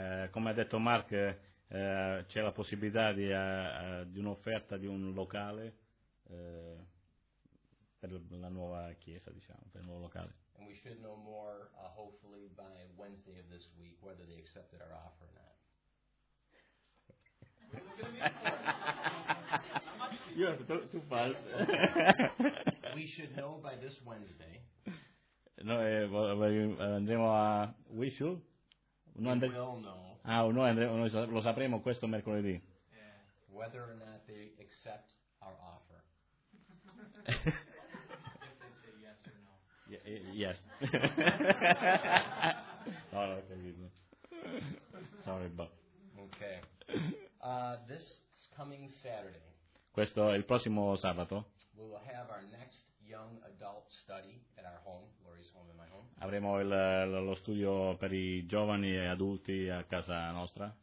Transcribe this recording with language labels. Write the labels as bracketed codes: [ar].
[it] Come ha detto Mark, c'è la possibilità di un'offerta di un locale per la nuova chiesa, diciamo, per il nuovo locale. [en] And we should know more, hopefully, by Wednesday of this week, whether they accepted our offer or not. We should know by this Wednesday. [it] Noi lo sapremo questo mercoledì. [en] Yeah. Whether or not they accept our offer. If they say yes or no. Yes. Sorry, but. Okay. This coming Saturday. [it] Questo è il prossimo sabato. [en] We will have our next young adult study at our home, Lori's home and my home. [it] Avremo lo studio per i giovani e adulti a casa nostra.